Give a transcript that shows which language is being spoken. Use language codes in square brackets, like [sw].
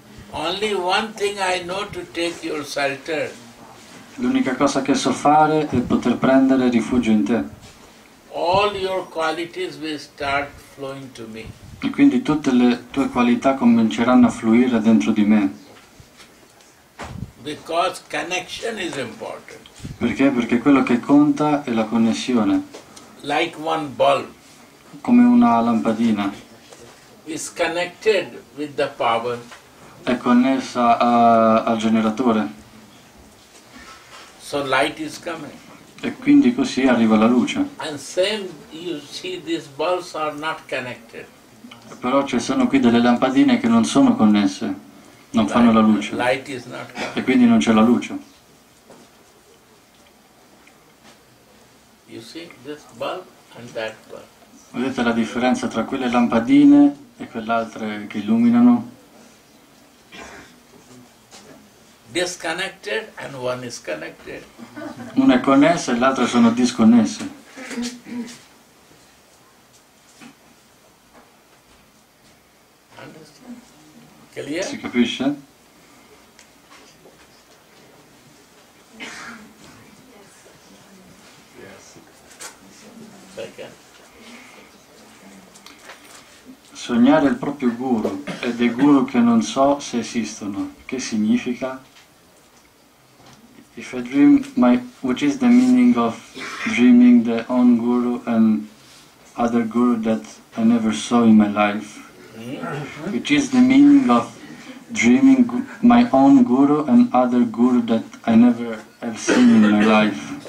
[en] Only one thing I know to take your shelter. [it] L'unica cosa che so fare è poter prendere rifugio in te. [en] All your qualities will start flowing to me. [it] E quindi tutte le tue qualità cominceranno a fluire dentro di me. [en] Because connection is important. [it] Perché? Perché quello che conta è la connessione. [en] Like one bulb. [it] Come una lampadina. [en] Is connected with the power. [it] È connessa al generatore. [en] So light is coming. [it] E quindi così arriva la luce. [en] And same you see these bulbs are not connected. [it] Però ci sono qui delle lampadine che non sono connesse, non [en] light, [it] fanno la luce, e quindi non c'è la luce. [en] You see this bulb and that bulb. [it] Vedete la differenza tra quelle lampadine e quelle altre che illuminano? [en] Disconnected and one is connected. [it] Una è connessa e l'altra sono disconnesse. Si capisce? Sognare il proprio guru e dei guru che non so se esistono. Che significa? [en] If I dream my, which is the meaning of dreaming the own guru and other guru that I never saw in my life? Which is the meaning of dreaming my own guru and other guru that I never have seen in my life.